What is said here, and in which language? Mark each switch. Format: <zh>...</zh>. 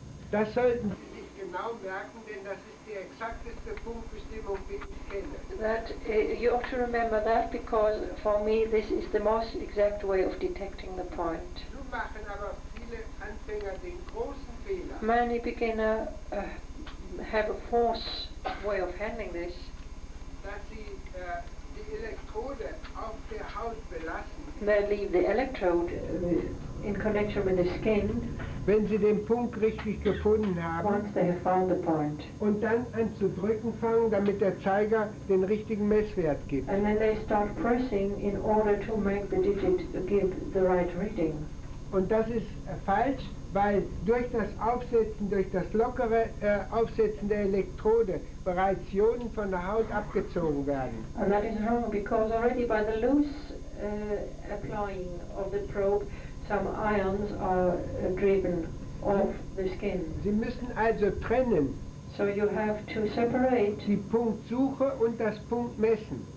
<de>Das sollten Sie sich genau merken, denn das ist die exakteste Punktbestimmung, die ich kenne.</de> <en>That you ought to remember that because for me this is the most exact way of detecting the point.</en> <de>Nun machen aber viele Anfänger den großen Fehler.</de> <en>Many beginner have a false way of handling this.</en> <de>Dass sie die Elektrode auf der Haut belassen.</de> <en>They leave the electrode in connection with the skin.</en> <de>wenn sie den Punkt richtig gefunden haben,</de> <en>once they have found the point,</en> <de>und dann an zu drücken fangen, damit der Zeiger den richtigen Messwert gibt.</de> <en>And then they start pressing in order to make the digit give the right reading.</en> <de>Und das ist falsch, weil durch das Aufsetzen, durch das lockere Aufsetzen der Elektrode bereits Ionen von der Haut abgezogen werden.</de> <en>And that is wrong because already by the loose applying of the probe, some ions are driven off the skin.</en> <de>Sie müssen also trennen.</de> <en>So you have to separate</en> <de>die Punktsuche und das Punktmessen.</de>